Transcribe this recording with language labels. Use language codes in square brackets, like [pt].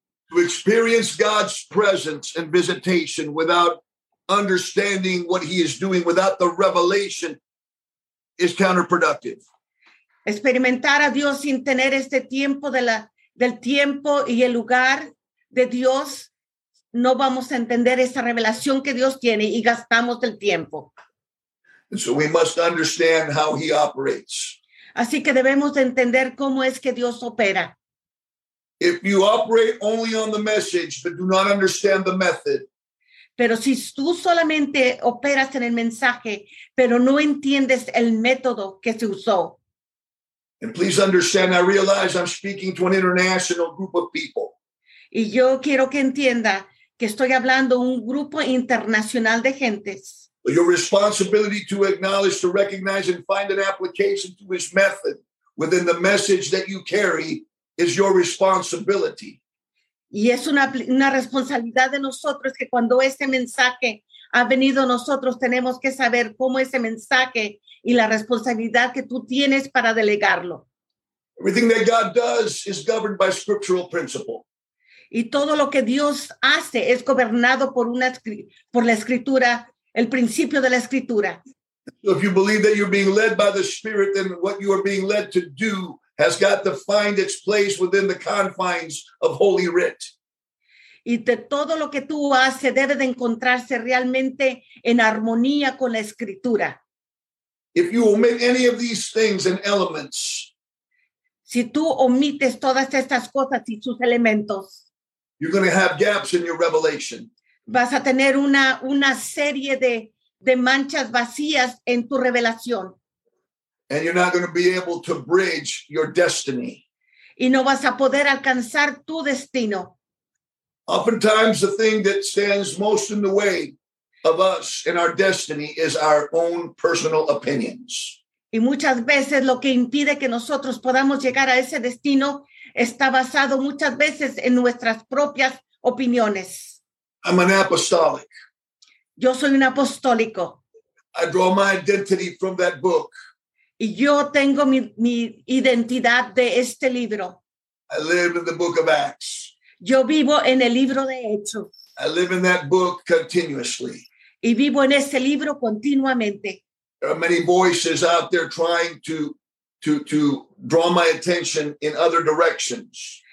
[en] To experience God's presence and visitation without understanding what he is doing, without the revelation, is counterproductive. [es] Experimentar a Dios sin tener este tiempo del tiempo y el lugar de Dios, no vamos a entender esa revelación que Dios tiene y gastamos el tiempo. [en] And so we must understand how he operates. [es] Así que debemos de entender cómo es que Dios opera. [en] If you operate only on the message but do not understand the method, [es] pero si tú solamente operas en el mensaje, pero no entiendes el método que se usó. [en] And please understand, I realize I'm speaking to an international group of people. [es] Y yo quiero que entienda que estoy hablando un grupo internacional de gentes. [en] Your responsibility to acknowledge, to recognize, and find an application to his method within the message that you carry is your responsibility. [es] Y es una responsabilidad de nosotros que cuando ese mensaje ha venido a nosotros, tenemos que saber cómo ese mensaje y la responsabilidad que tú tienes para delegarlo. [en] Everything that God does is governed by scriptural principle. [es] Y todo lo que Dios hace es gobernado por la escritura, el principio de la escritura. [en] So if you believe that you're being led by the Spirit, then what you are being led to do has got to find its place within the confines of Holy Writ. [es] Y de todo lo que tú haces debe de encontrarse realmente en armonía con la Escritura. [en] If you omit any of these things and elements, [es] si tú omites todas estas cosas y sus elementos, [en] you're going to have gaps in your revelation. [es] Vas a tener una serie de manchas vacías en tu revelación. [en] And you're not going to be able to bridge your destiny. [es] Y no vas a poder alcanzar tu destino. [en] Oftentimes, the thing that stands most in the way of us in our destiny is our own personal opinions. [es] Y muchas veces lo que impide que nosotros podamos llegar a ese destino está basado muchas veces en nuestras propias opiniones. [en] I'm an apostolic. [es] Yo soy un apostólico. [en] I draw my identity from that book. [es] Y yo tengo mi identidad de este libro. [en] I live in the book of Acts. [es] Yo vivo en el libro de Hechos. [en] I live in that book continuously. [es] Y vivo en ese libro continuamente. [en] There are many voices out there trying to draw my attention in other directions.